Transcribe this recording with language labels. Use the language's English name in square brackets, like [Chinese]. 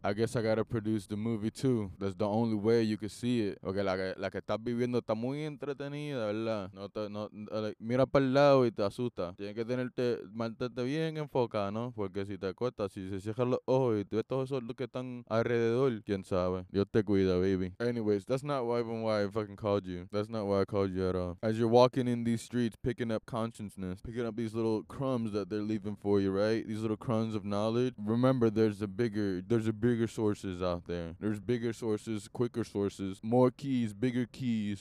[English] I guess I gotta produce the movie too. That's the only way you can see it. [Spanish] Porque la que estás viviendo está muy entretenida, ¿verdad? Mira para el lado y te asusta. Tienes que mantenerte bien enfocada, ¿no? Porque si te acuestas, si se cierran los ojos y tú ves todos esos que están alrededor, quién sabe. Dios te cuida, baby. [English] Anyways, that's not even why I fucking called you. That's not why I called you at all. As you're walking in these streets, picking up consciousness, picking up these little crumbs that they're leaving for you, right? These little crumbs of knowledge. Remember, there's a bigger sources out there. There's bigger sources, quicker sources, more keys, bigger keys.